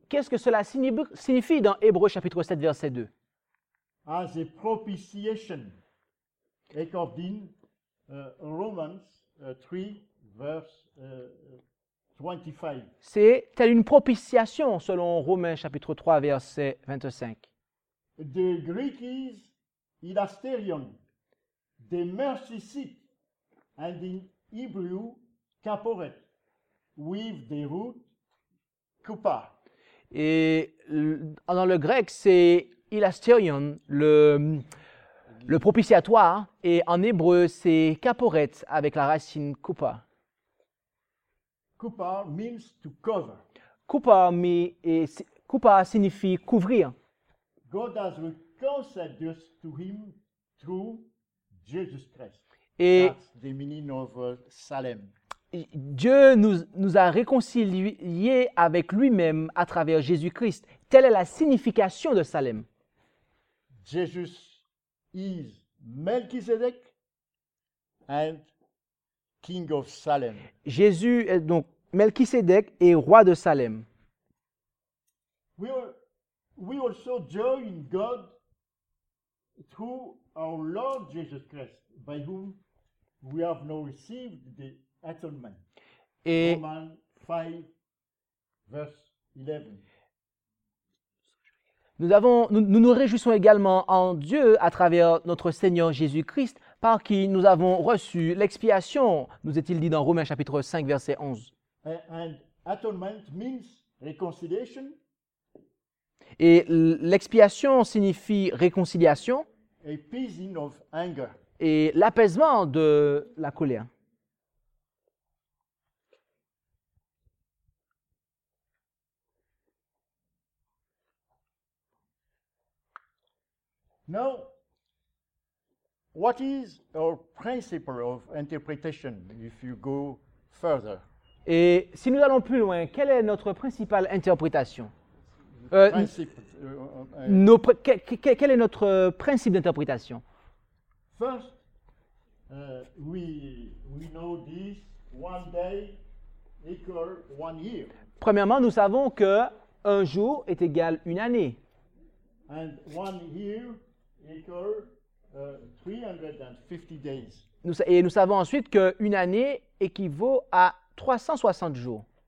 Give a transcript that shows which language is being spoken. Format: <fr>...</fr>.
<fr>Qu'est-ce que cela signifie dans Hébreux chapitre 7, verset 2?</fr> <en>As a propitiation, according Romans 3, verse 25.</en> <fr>C'est telle une propitiation selon Romains chapitre 3, verset 25.</fr> <en>The Greek is hilasterion, the mercy seat, and in Hebrew kaporet, with the root.</en> <fr>Et dans le grec, c'est hilasterion, le propitiatoire, et en hébreu, c'est kaporet avec la racine kupa.</fr> <en>Kupa means to cover.</en> <fr>Kupa signifie couvrir.</fr> <en>God has reconciled us to him through Jesus Christ.</en> <fr>Et</fr> <en>That's the meaning of Salem.</en> <fr>Dieu nous a réconciliés avec lui-même à travers Jésus-Christ. Telle est la signification de Salem.</fr> <en>Jesus is Melchizedek and King of Salem.</en> <fr>Jésus est donc Melchisédek et roi de Salem.</fr> <en>We also join God through our Lord Jesus Christ, by whom we have now received the atonement.</en> <fr>Et</fr> <en>Romans 5, verse 11.</en> <fr>Nous nous réjouissons également en Dieu à travers notre Seigneur Jésus-Christ, par qui nous avons reçu l'expiation, nous est-il dit dans Romains chapitre 5, verset 11.</fr> <en>And atonement means reconciliation.</en> <fr>Et l'expiation signifie réconciliation</fr> <en>Appeasing of anger.</en> <fr>et l'apaisement de la colère.</fr> <en>Now, what is our principle of interpretation if you go further?</en> <fr>Et si nous allons plus loin, quelle est notre principale interprétation? Quel est notre principe d'interprétation?</fr> <en>First, we know this one day equal one year.</en> <fr>Premièrement, nous savons que un jour est égal une année.</fr> <en>And one year equal 350 days.</en> <fr>Et nous savons ensuite qu'une année équivaut à 360 jours.</fr>